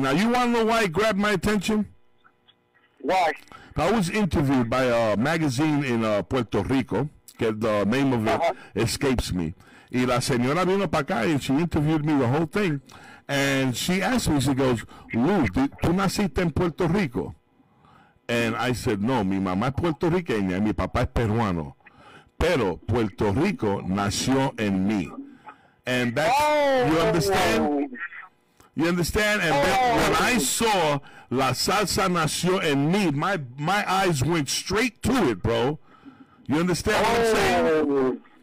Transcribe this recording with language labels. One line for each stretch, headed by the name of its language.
English: Now, you want to know why it grabbed my attention? Why? I was interviewed by a magazine in Puerto Rico. The name of it escapes me.
Spanish: Y la señora vino para acá,
English: and she interviewed me the whole thing. And she asked me, she goes, Luz,
Spanish: ¿tú naciste en Puerto Rico?
English: And I said, no,
Spanish: mi mamá es puertorriqueña y mi papá es peruano. Pero Puerto Rico nació en mí.
English: And that, you understand? You understand? And then when I saw La Salsa Nació en Mí, my eyes went straight to it, bro. You understand what I'm saying?